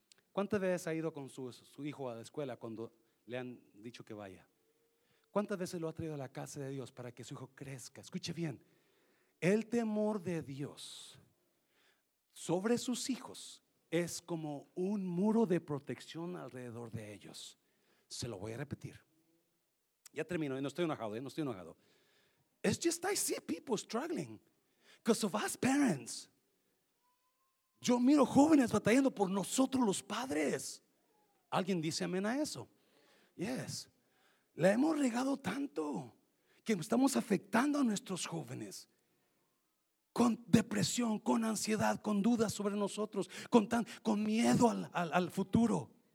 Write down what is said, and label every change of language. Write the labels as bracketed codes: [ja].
[es] ¿Cuántas veces ha ido con su hijo a la escuela cuando le han dicho que vaya? ¿Cuántas veces lo ha traído a la casa de Dios para que su hijo crezca? Escuche bien, El temor de Dios sobre sus hijos es como un muro de protección alrededor de ellos. Se lo voy a repetir. Ya termino, no estoy enojado, no estoy enojado. [en] It's just I see people struggling because of us parents. [es] Yo miro jóvenes batallando por nosotros los padres. ¿Alguien dice amén a eso? [en] Yes. [es] La hemos regado tanto que estamos afectando a nuestros jóvenes con depresión, con ansiedad, con dudas sobre nosotros, con miedo al futuro.